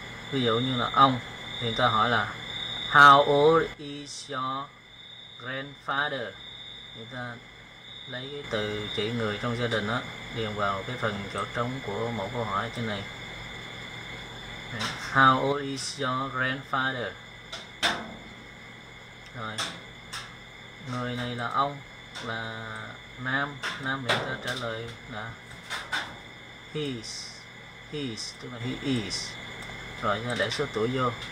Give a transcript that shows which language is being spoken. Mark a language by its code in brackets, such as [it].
[vi] Ví dụ như là ông thì chúng ta hỏi là [en] How old is your grandfather? [vi] Chúng ta lấy cái từ chỉ người trong gia đình đó điền vào cái phần chỗ trống của mẫu câu hỏi trên này. [en] How old is your grandfather? [vi] Rồi, người này là ông, là nam. Nam thì ta trả lời là [en] he's He's, [vi] tức là [en] he is. [vi] Rồi, để số tuổi vô.